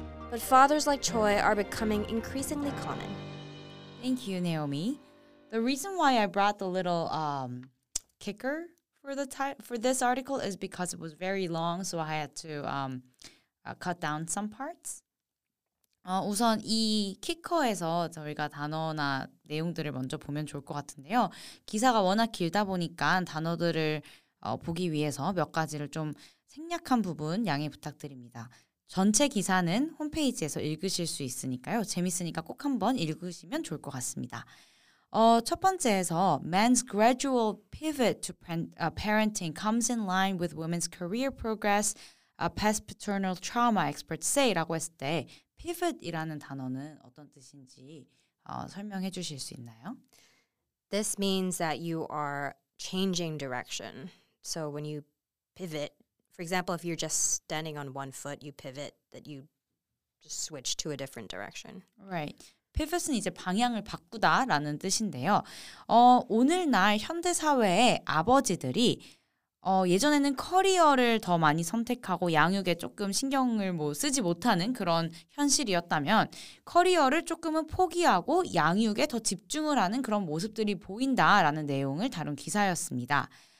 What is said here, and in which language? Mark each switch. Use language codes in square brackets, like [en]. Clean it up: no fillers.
[en] But fathers like Choi are becoming increasingly common. Thank you, Naomi. The reason why I brought the little kicker for this article is because it was very long, so I had to cut down some parts. [ko] 우선 이 키커에서 저희가 단어나 내용들을 먼저 보면 좋을 것 같은데요. 기사가 워낙 길다 보니까 단어들을 보기 위해서 몇 가지를 좀 생략한 부분 양해 부탁드립니다. 전체 기사는 홈페이지에서 읽으실 수 있으니까요. 재밌으니까 꼭 한번 읽으시면 좋을 것 같습니다. 첫 번째에서 [en] Men's gradual pivot to parenting comes in line with women's career progress, past paternal trauma experts say [ko] 라고 했을 때 pivot이라는 단어는 어떤 뜻인지 설명해 주실 수 있나요? [en] This means that you are changing direction. So when you pivot, for example, if you're just standing on one foot, you pivot, that you just switch to a different direction. Right. [ko] Pivot은 이제 방향을 바꾸다라는 뜻인데요. 오늘날 현대사회의 아버지들이 예전에는 커리어를 더 많이 선택하고 양육에 조금 신경을 뭐 쓰지 못하는 그런 현실이었다면 커리어를 조금은 포기하고 양육에 더 집중을 하는 그런 모습들이 보인다라는 내용을 다룬 기사였습니다.